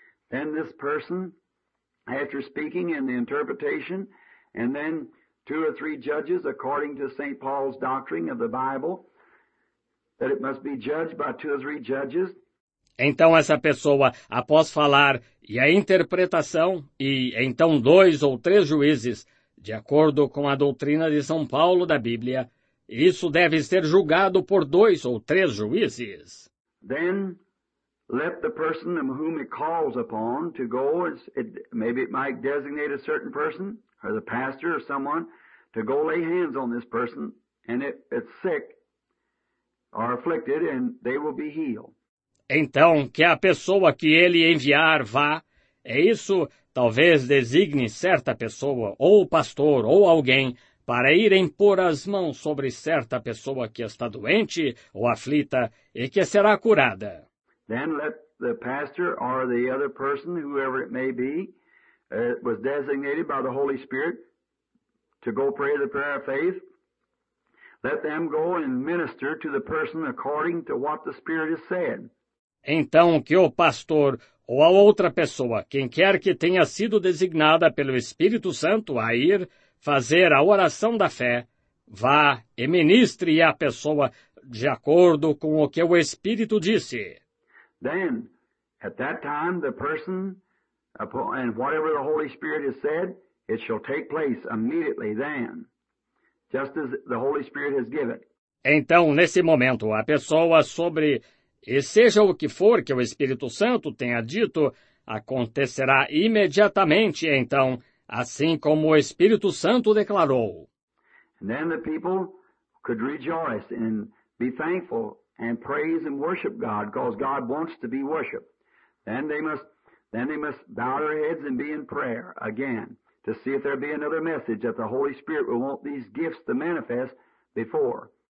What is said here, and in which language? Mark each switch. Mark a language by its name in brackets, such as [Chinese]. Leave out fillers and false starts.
[English] Then this person, after speaking in the interpretation, and then 2 or 3 judges according to St. Paul's doctrine of the Bible, that it must be judged by 2 or 3 judges. [Portuguese] Então essa pessoa, após falar, e a interpretação, e então 2 ou 3 juízes, de acordo com a doutrina de São Paulo da Bíblia, isso deve ser julgado por 2 ou 3 juízes. [English] Then let the person whom it calls upon to go, maybe it might designate a certain person, or the pastor or someone, to go lay hands on this person, and it's sick or afflicted, and they will be healed. [Portuguese] Então, que a pessoa que ele enviar vá, é isso, talvez designe certa pessoa, ou pastor, ou alguém, para irem pôr as mãos sobre certa pessoa que está doente ou aflita e que será curada. [English] Then let the pastor or the other person, whoever it may be, was designated by the Holy Spirit to go pray the prayer of faith. Let them go and minister to the person according to what the Spirit has said. [Portuguese] Então que o pastor ou a outra pessoa, quem quer que tenha sido designada pelo Espírito Santo a ir fazer a oração da fé, vá e ministre à pessoa de acordo com o que o Espírito disse. [English] Then, at that time, the person, and whatever the Holy Spirit has said, it shall take place immediately then, just as the Holy Spirit has given. [Portuguese] Então, nesse momento, a pessoa sobre, e seja o que for que o Espírito Santo tenha dito, acontecerá imediatamente, então, assim como o Espírito Santo declarou. [English] And then the people could rejoice and be thankful and praise and worship God, because God wants to be worshiped. Then they must bow their heads and be in prayer again to see if there be another message that the Holy Spirit will want these gifts to manifest before.